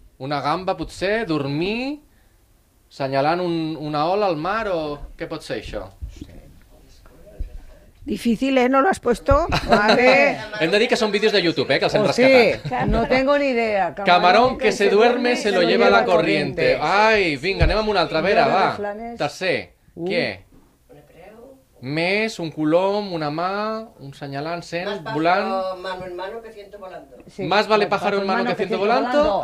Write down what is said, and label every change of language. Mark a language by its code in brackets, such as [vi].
[ca] Una gamba potser, dormir, senyalant una ola al mar o què pot ser això? [es] Difícil, ¿eh? ¿No lo has puesto? [ca] Hem de dir que són vídeos de YouTube, que els hem rescatat. [es] Sí, no tengo ni idea. Camarón que se duerme se lo lleva la corriente. [ca] Ai, vinga, anem amb una altra, a veure, va. Tercer, què? Més, un colom, una mà, un senyalant, sent, volant. [es] Más pájaro mano en mano que siento volando. Más vale pájaro en mano que siento volando.